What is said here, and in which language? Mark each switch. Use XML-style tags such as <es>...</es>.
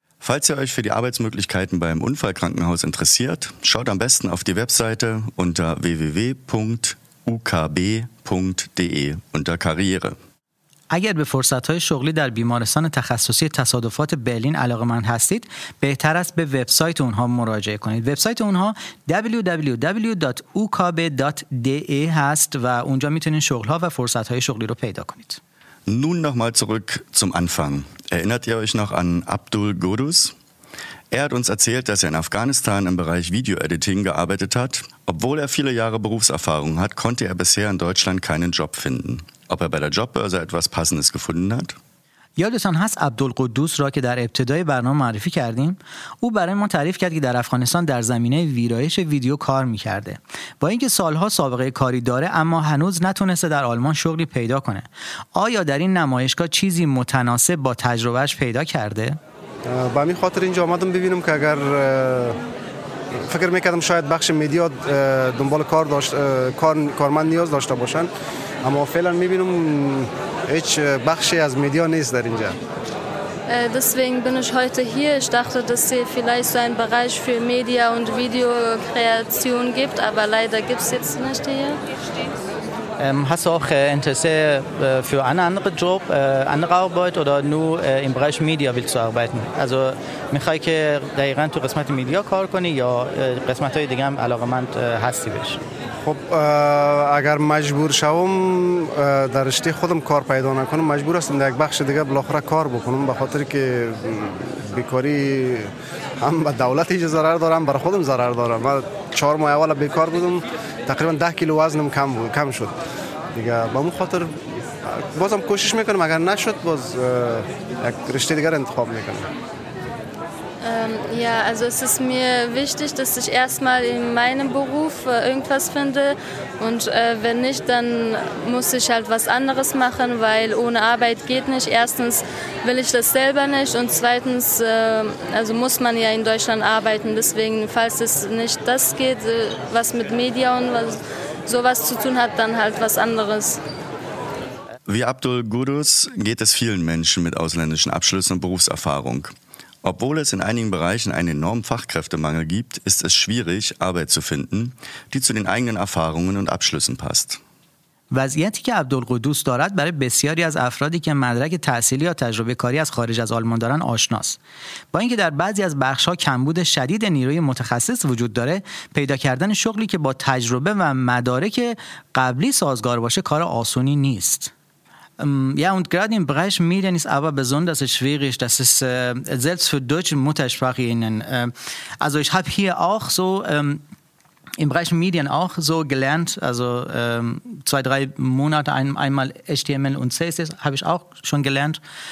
<de>Falls ihr euch für die Arbeitsmöglichkeiten beim Unfallkrankenhaus interessiert, schaut am besten auf die Webseite unter www.ukb.de unter Karriere.</de> <fa>اگر به فرصت‌های شغلی در بیمارستان تخصصی تصادفات برلین علاقه‌مند هستید، بهتر است به وبسایت اونها مراجعه کنید. وبسایت اونها www.ukb.de هست و اونجا میتونید شغل‌ها و فرصت‌های شغلی رو پیدا کنید.</fa> <de>Nun nochmal zurück zum Anfang. Erinnert ihr euch noch an Abdul Gurus? Er hat uns erzählt, dass er in Afghanistan im Bereich Video-Editing gearbeitet hat. Obwohl er viele Jahre Berufserfahrung hat, konnte er bisher in Deutschland keinen Job finden. Ob er bei der Jobbörse etwas Passendes gefunden hat?</de> <fa>یادتان هست عبدالقدوس را که در ابتدای برنامه معرفی کردیم؟ او برای ما تعریف کرد که در افغانستان در زمینه ویرایش ویدیو کار می‌کرده. با اینکه سالها سابقه کاری داره اما هنوز نتونسته در آلمان شغلی پیدا کنه. آیا در این نمایشگاه چیزی متناسب با تجربهش پیدا کرده؟ به همین خاطر اینجا آمدم ببینم که اگر فکر می‌کردم شاید بخش مدیا دنبال کار داشت کارمند نیاز داشته باشن اما فعلا می‌بینم هیچ بخشی از مدیا نیست در اینجا.</fa> <de>Deswegen bin ich heute hier. Ich dachte, dass es vielleicht so ein Bereich für Media und Video Kreation gibt, aber leider gibt's jetzt nicht hier. Hast du auch Interesse für einen anderen Job, andere Arbeit oder nur im Bereich Media willst du arbeiten?</de> <fa>Also, میخوای که دقیقا تو قسمت میدیا کار کنی یا قسمت های دیگه هم علاقمند هستی بهش؟ خب اگر مجبور شوم در رشته خودم کار پیدا نکنم مجبور هستم در یک بخش دیگه بالاخره کار بکنم به خاطر که بیکاری هم به دولت هیچ ضرر دارم برای خودم ضرر دارم من 4 ماه اول بیکار بودم تقریبا 10 کیلو وزنم کم شد دیگه به اون خاطر بازم کوشش میکنم اگر نشد باز یک رشته دیگر انتخاب میکنم</fa> <de>Ja, also es ist mir wichtig, dass ich erstmal in meinem Beruf irgendwas finde und wenn nicht, dann muss ich halt was anderes machen, weil ohne Arbeit geht nicht. Erstens will ich das selber nicht und zweitens also muss man ja in Deutschland arbeiten, deswegen falls es nicht das geht, was mit Media und was, sowas zu tun hat, dann halt was anderes. Wie Abdul Gurus geht es vielen Menschen mit ausländischen Abschlüssen und Berufserfahrung. Obwohl es in einigen Bereichen einen enormen Fachkräftemangel gibt, ist es schwierig, Arbeit zu finden, die zu den eigenen Erfahrungen und Abschlüssen passt.</de> <fa>وضعیتی که عبدالقدوس دارد برای بسیاری از افرادی که مدرک تحصیلی یا تجربه کاری از خارج از آلمان دارن آشناست. با اینکه در بعضی از بخش‌ها کمبود شدید نیروی متخصص وجود داره، پیدا کردن شغلی که با تجربه و مدارک قبلی سازگار باشه کار آسونی نیست.</fa> <de>Ja, und gerade im Bereich Medien ist aber besonders schwierig, dass es selbst für deutsche Muttersprache ihnen. Also ich habe hier auch so im Bereich Medien auch so gelernt, also 2-3 Monate einmal HTML und CSS habe ich auch schon gelernt.</de>